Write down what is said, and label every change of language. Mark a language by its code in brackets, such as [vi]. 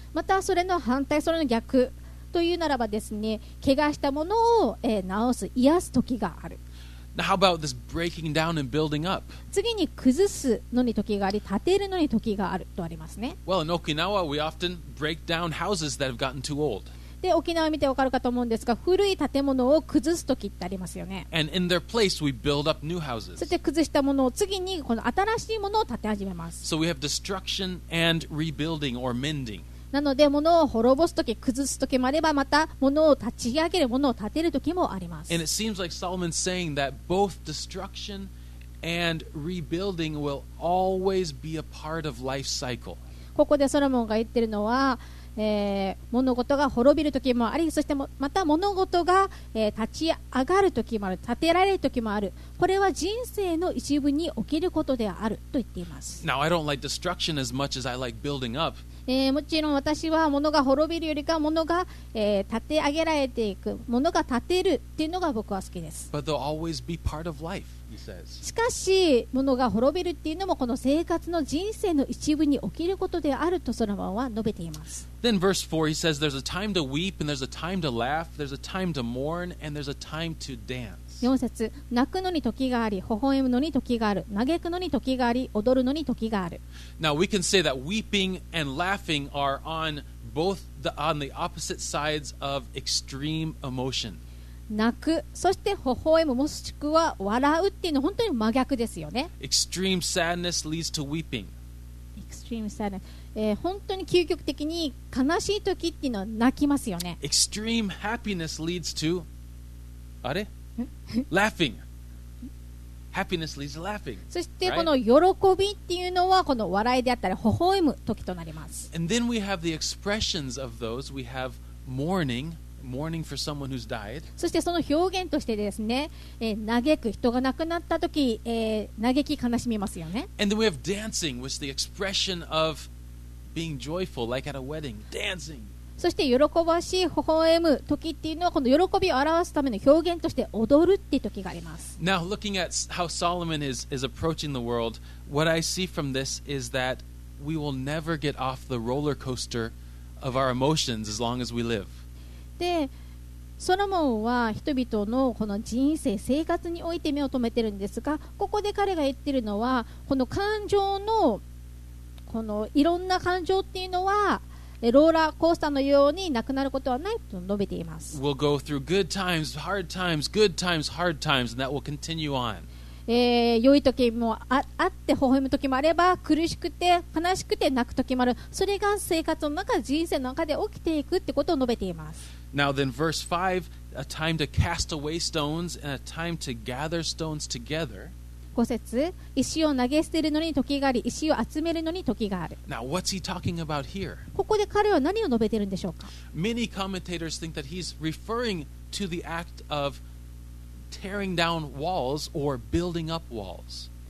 [ja] またそれの反対、それの逆というならばですね、怪我したものを、治す、癒す時がある。 [en] Now how about this breaking down and building up? [ja] 次に崩すのに時があり、建てるのに時があるとありますね。 [en] Well, in Okinawa, we often break down houses that have gotten too old. [ja] で沖縄を見てわかるかと思うんですが、古い建物を崩すときってありますよね。 [en] And in their place, we build up new houses. [ja] そして崩したものを次にこの新しいものを建て始めます。 [en] So we have destruction and rebuilding or mending. [ja] なので物を滅ぼすとき、崩すときもあれば、また物を立ち上げる、物を建てるときもあります。 [en] And it seems like Solomon's saying that both destruction and rebuilding will always be a part of life cycle. [ja] ここでソロモンが言ってるのは、物事が滅びる時もあり、そしてまた物事が、立ち上がる時もある、立てられる時もある。これは人生の一部に起きることであると言っています。 [en] Now I don't like destruction as much as I like building up, [ja] もちろん私は物が滅びるよりか物が、立て上げられていく物が立てるっていうのが僕は好きです。 [en] But they'll always be part of life, he says. [ja] しかし物が滅びるっていうのもこの生活の人生の一部に起きることであるとソロモンは述べています。 [en] Then verse 4 he says there's a time to weep and there's a time to laugh, there's a time to mourn and there's a time to dance. [ja] 4節、泣くのに時があり、微笑むのに時がある、嘆くのに時があり、踊るのに時がある。 [en] Now we can say that weeping and laughing are on both the, on the opposite sides of extreme emotion. [ja] 泣く、そして微笑む、もしくは笑うっていうのは本当に真逆ですよね。 [en] Extreme sadness leads to weeping. Extreme sadness. [ja] 本当に究極的に悲しい時っていうのは泣きますよね。 [en] Extreme happiness leads to... あれ?laughing. Happiness leads to laughing. [ja] そしてこの喜びっていうのはこの笑いであったり微笑む時となります。 [en] And then we have the expressions of those. We have mourning, mourning for someone who's died. [ja] そしてその表現としてですね、嘆く人が亡くなった時、嘆き悲しみますよね。 [en] And then we have dancing, which is the expression of being joyful, like at a wedding, dancing. [ja] そして喜ばしい微笑む時っていうのはこの喜びを表すための表現として踊るっていう時があります。 [en] Now looking at how Solomon is approaching the world, what I see from this is that we will never get off the roller coaster of our emotions as long as we live. [ja] で、ソロモンは人々のこの人生生活において目を留めてるんですが、ここで彼が言ってるのはこの感情のこのいろんな感情っていうのは。ローラーコースターのようになくなることはないと述べています。 [en] We'll go through good times, hard times, good times, hard times, and that will continue on. [ja] 良い時も あって、微笑む時もあれば、苦しくて、悲しくて、泣く時もある。それが生活の中、人生の中で起きていくってことを述べています。 [en] Now then, verse 5, a time to cast away stones and a time to gather stones together. [ja] 5節、石を投げ捨てるのに時があり、石を集めるのに時がある。 [en] Now, what's he talking about here? [ja] ここで彼は何を述べているんでしょうか? [en] Many commentators think that he's referring to the act of tearing down walls or building up walls.